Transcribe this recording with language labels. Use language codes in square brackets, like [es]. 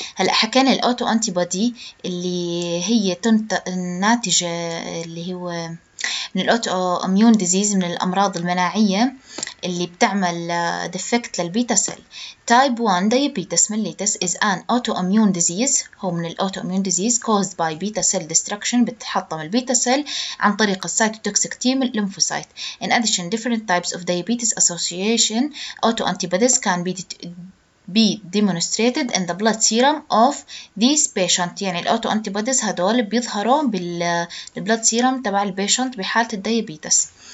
[ar] هلأ حكينا الأوتو أنتيبادي اللي هي ناتجة اللي هو من الأوتو أميون ديزيز، من الأمراض المناعية اللي بتعمل ديفكت للبيتا سيل. تايب 1 ديابيتس ميليتس [en] is an autoimmune disease، [ar] هو من الأوتوأميون ديزيز، [en] caused by [ar] بيتا سيل [en] destruction، [ar] بتحطم البيتا سيل عن طريق السيتوتوكسيك تي من الليمفوسايت. [en] In addition, different types of diabetes association autoantibodies can be demonstrated in the blood serum of these patients. [ar] يعني الأوتو أنتيبوديز هدول بيظهروا بالبلد سيرم تبع البيشنت بحالة الديابيتس.